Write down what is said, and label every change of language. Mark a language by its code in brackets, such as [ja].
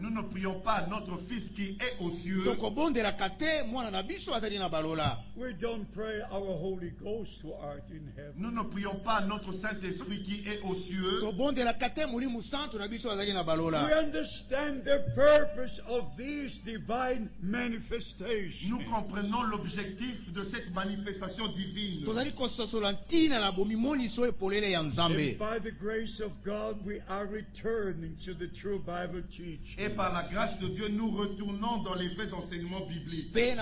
[fr] Nous ne prions pas notre Fils qui est aux cieux. [en] We don't pray our Holy Ghost who art in heaven. [fr] Nous ne prions pas notre Saint-Esprit qui est aux cieux. [en] We understand the purpose of these divine manifestations. [fr] Nous comprenons l'objectif de cette manifestation divine. [en] And by the grace of God, we are returning to the true Bible teaching. [fr] Et par la grâce de Dieu, nous retournons dans les vrais enseignements bibliques.